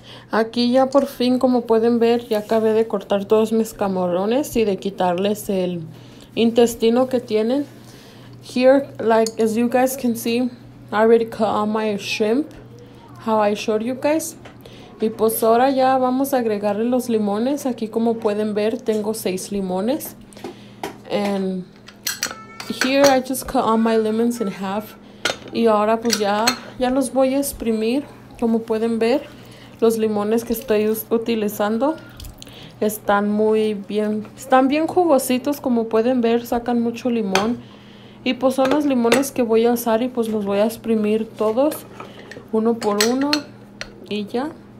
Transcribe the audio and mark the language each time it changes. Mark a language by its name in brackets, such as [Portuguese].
[Spanish] Aquí ya por fin, como pueden ver, ya acabé de cortar todos mis camarones y de quitarles el intestino que tienen. [English] Here, like as you guys can see, I already cut all my shrimp, how I showed you guys. [Spanish] Y pues ahora ya vamos a agregarle los limones. Aquí como pueden ver, tengo 6 limones. [English] And here I just cut all my lemons in half. [Spanish] Y ahora pues ya los voy a exprimir. Como pueden ver, los limones que estoy utilizando están muy bien. Están bien jugositos, como pueden ver, sacan mucho limón. Y pues son los limones que voy a usar y pues los voy a exprimir todos, uno por uno. Y ya.